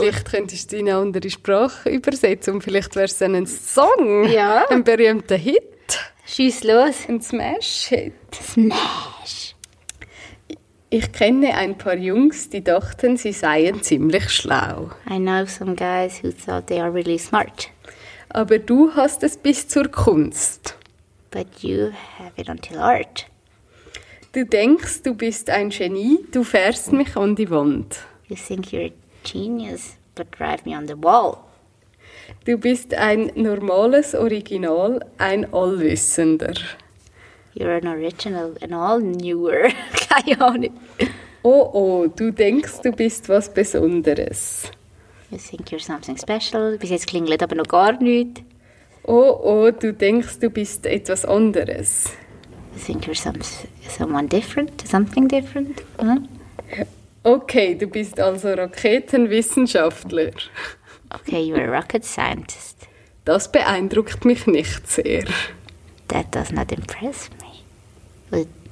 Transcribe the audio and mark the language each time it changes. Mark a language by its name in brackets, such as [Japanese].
[German] Vielleicht könntest du deine andere Sprache übersetzen und vielleicht wäre es ein Song. Ja. Ein berühmter Hit. Schieß los. Ein Smash-Hit. Smash. Ich kenne ein paar Jungs, die dachten, sie seien ziemlich schlau. [English] I know some guys who thought they are really smart. [German] Aber du hast es bis zur Kunst. [English] But you have it until art. [German] Du denkst, du bist ein Genie, du fährst mich an die Wand. [English] You think you're a genius, but drive me on the wall. [German] Du bist ein normales Original, ein Allwissender. [English] You're an original, an all-newer. [German] Keine Ahnung. Oh, du denkst, du bist was Besonderes. [English] You think you're something special. [German] Bis jetzt klingelt aber noch gar nichts. Oh, du denkst, du bist etwas anderes. [English] You think you're someone different, something different. Huh? [German] Okay, du bist also Raketenwissenschaftler. [English] Okay, you're a rocket scientist. [German] Das beeindruckt mich nicht sehr. [English] That does not impress me.